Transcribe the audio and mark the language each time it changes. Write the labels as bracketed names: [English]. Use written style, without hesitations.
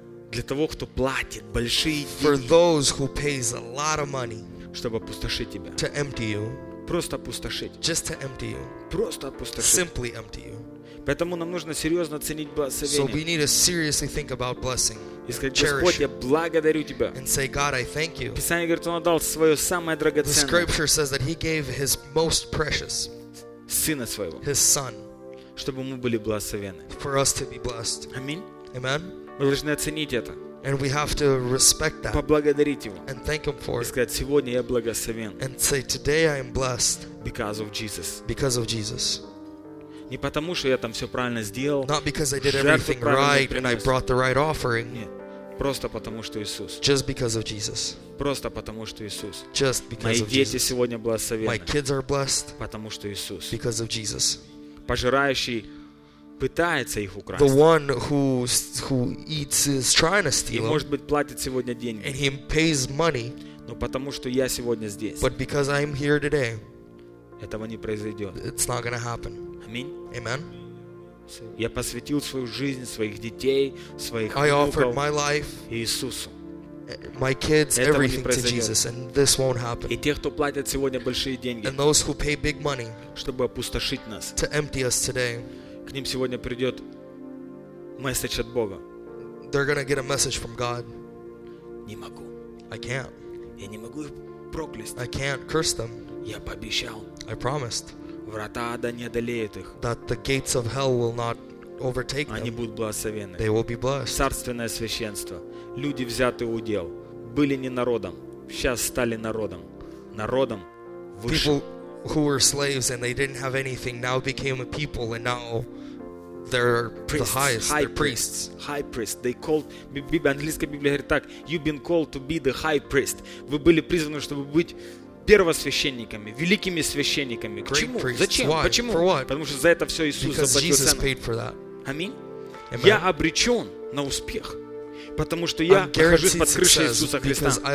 [Russian] Для того, кто платит большие деньги. [English] For those who pays a lot of money. [Russian] Чтобы опустошить тебя. [English] To empty you. [Russian] Просто опустошить. [English] Just to empty you. [Russian] Просто опустошить. [English] Simply empty you. [Russian] Поэтому нам нужно серьезно ценить благословение. [English] So we need to seriously think about blessing. [Russian] И сказать, Господь, я благодарю тебя. [English] And say, God, I thank you. [Russian] Писание говорит, он отдал свое самое драгоценное. [English] The scripture says that he gave his most precious. [Russian] Сына своего. [English] His son. [Russian] Чтобы мы были благословены. [English] For us to be blessed. [Russian] Аминь. [English] Amen. [Russian] Мы должны оценить это. [English] And we have to respect that. [Russian] Поблагодарить его. [English] And thank him for it. [Russian] И сказать, сегодня я благословен. [English] And say, today I am blessed. Because of Jesus. Because of Jesus. [Russian] Не потому, что я там все правильно сделал. [English] Not because I did everything right and I brought the right offering. [Russian] Нет. Просто потому, что Иисус. [English] Just because of Jesus. [Russian] Просто потому, что Иисус. [English] Just because [Russian] Мои [English] of Jesus. [Russian] Мои дети сегодня благословены. [English] My kids are blessed. [Russian] Потому, что Иисус. [English] Because of Jesus. [Russian] Пожирающий пытается их украсть. [English] The one who eats is trying to steal. [Russian] И может быть платит сегодня деньги. [English] And he pays money. [Russian] Но потому, что я сегодня здесь. [English] But because I'm here today. [Russian] Этого не произойдет. [English] It's not going to happen. Amen. [Russian] Я посвятил свою жизнь, своих детей, своих внуков. [English] I offered my life, [Russian] Иисусу. [English] My kids, everything to Jesus, and this won't happen. [Russian] И тех, кто платят сегодня большие деньги, [English] and those who pay big money, [Russian] чтобы опустошить нас, [English] to empty us today, [Russian] к ним сегодня придет месседж от Бога. [English] They're gonna get a message from God. [Russian] Не могу. [English] I can't. [Russian] Я не могу проклясть. [English] I can't curse them. [Russian] Я пообещал. [English] I promised. [Russian] Врата ада не одолеют их. [English] That the gates of hell will not overtake [Russian] Они [English] them. [Russian] Будут благословены. [English] They will be blessed. [Russian] Царственное священство. Люди взяты удел. Были не народом. Сейчас стали народом. Народом выше. [English] People who were slaves and they didn't have anything now became a people and now they're priests, the highest. High they're priests. High priest. They called. [Russian] Английская Библия говорит так. [English] You've been called to be the high priest. [Russian] Вы были призваны, чтобы быть первосвященниками, великими священниками. К чему? Зачем? [English] Why? [Russian] Почему? Потому что за это все Иисус заплатил. Аминь. Я обречен на успех, потому что я нахожусь под крышей Иисуса Христа.